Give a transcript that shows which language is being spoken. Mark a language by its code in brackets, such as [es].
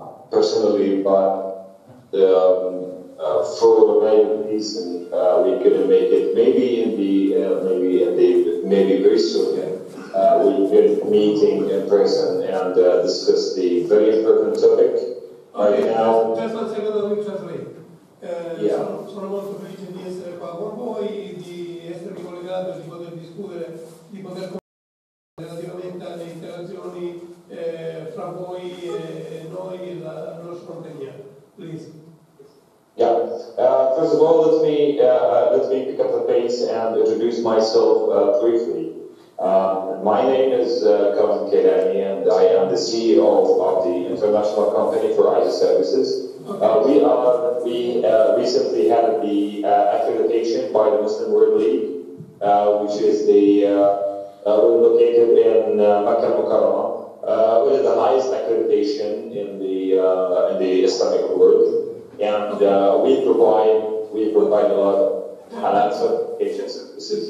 [en] Personally, but for the main reason we couldn't make it. Maybe in the maybe very soon we could meet in person and discuss the very important topic. Okay, right now, just one second, let me translate. [it] Sono molto felice di essere qua con voi, di essere collegato, di poter discutere, di poter relativamente alle interazioni fra voi e noi e la nostra compagnia. [en] Please. First of all, let me pick up the pace and introduce myself briefly. My name is Kevin Kedani, and I am the CEO of the international company for IT services. We recently had the accreditation by the Muslim World League, which is the located in Makkah Mukarramah, which is the highest accreditation in the Islamic world, and we provide a lot of halal certification services.